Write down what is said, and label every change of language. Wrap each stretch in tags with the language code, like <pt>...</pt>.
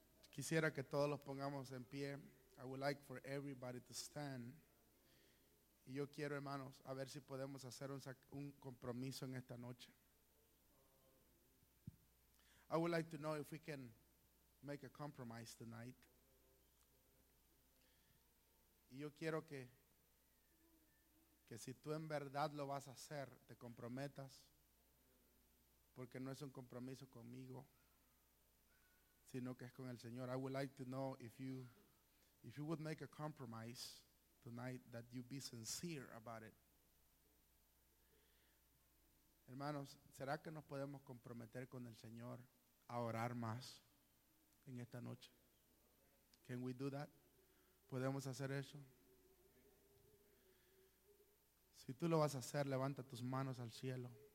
<es>Quisiera que todos los pongamos en pie.</es> <en>I would like for everybody to stand.</en> <es>Y yo quiero, hermanos, a ver si podemos hacer un compromiso en esta noche.</es> <en>I would like to know if we can make a compromise tonight.</en> <es>Y yo quiero que si tú en verdad lo vas a hacer, te comprometas, porque no es un compromiso conmigo, sino que es con el Señor.</es> <en>I would like to know if you would make a compromise tonight, that you be sincere about it.</en> <es>Hermanos, ¿será que nos podemos comprometer con el Señor a orar más en esta noche?</es> <en>Can we do that?</en> <es>¿Podemos hacer eso? Si tú lo vas a hacer, levanta tus manos al cielo.</es>